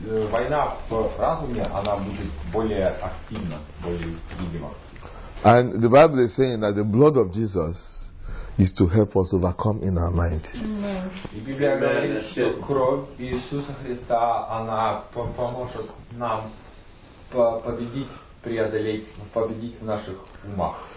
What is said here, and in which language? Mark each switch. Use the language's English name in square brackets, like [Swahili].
[Russian] Война в разуме, она будет более активна, более видима. [English] And the Bible is saying that the blood of Jesus is to help us overcome in our mind. Mm-hmm. [Russian] И Библия говорит, что кровь Иисуса Христа, она поможет нам победить в наших умах.